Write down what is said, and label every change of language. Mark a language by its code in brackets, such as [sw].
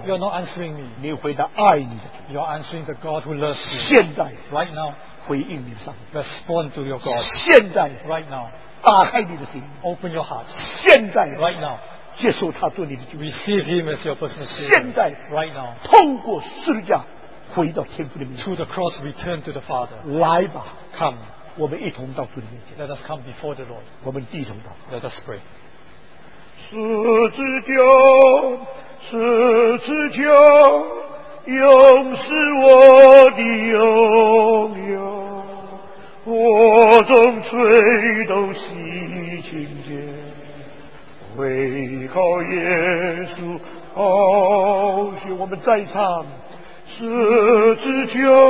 [en] you're not answering me. [zh] 你回答爱你的, [en] you're answering the God who loves you. [zh] 现在, [en] right now, [zh] 回应你的上帝, [en] respond to your God. [zh] 现在, [en] right now, [zh] 打开你的心, [en] open your heart. [zh] 现在, [en] right now, [zh] 接受他做你的主, [en] receive him as your personal savior. [zh] 现在, [en] right now, [zh] 通过十字架, 回到天父的面前, [en] through the cross, return to the Father. [zh] 来吧, [en] come. [zh] 我们一同到主的面前, [en] let us come before the Lord. [zh] 我们低头祷, [en] let us pray. [zh] 十字架, 十字架, 永是我的永远, 我众罪都洗净净, 唯靠耶稣, 好像我们再唱, 十字架,